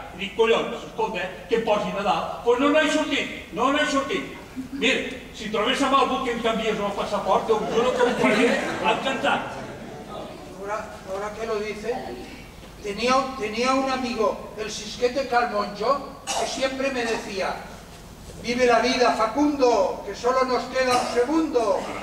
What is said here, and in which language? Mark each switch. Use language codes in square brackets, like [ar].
[ca] Dic, collons, escolta, que em posin a dalt. Però no n'he sortit, no n'he sortit. Mira, si trobés amb algú que em canvies el passaport, jo no t'ho faré encantat. [es] Ahora que lo dice, tenía un amigo, el Sisquete Calmonjo, que siempre me decía, vive la vida, Facundo, que solo nos queda un segundo.